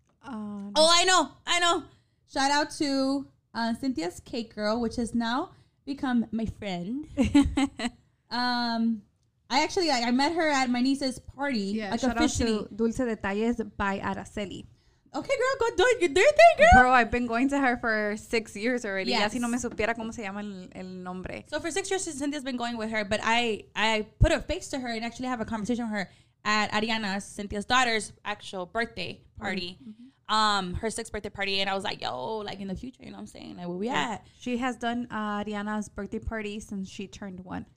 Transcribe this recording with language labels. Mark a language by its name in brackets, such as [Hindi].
[English] No. Oh, I know. Shout out to Cynthia's Cake Girl, which has now become my friend. I met her at my niece's party. Yeah, like shout officially. Out to Dulce Detalles by Araceli. Okay, girl, go do your thing, girl. Bro, I've been going to her for 6 years already. [Spanish] Yes. Ya si no me supiera cómo se llama el nombre. [English] So for 6 years, Cynthia's been going with her, but I put a face to her and actually have a conversation with her at Ariana's, Cynthia's daughter's actual birthday party, mm-hmm. Her sixth birthday party. And I was like, yo, like in the future, you know what I'm saying? Like, where we at? She has done Ariana's birthday party since she turned one.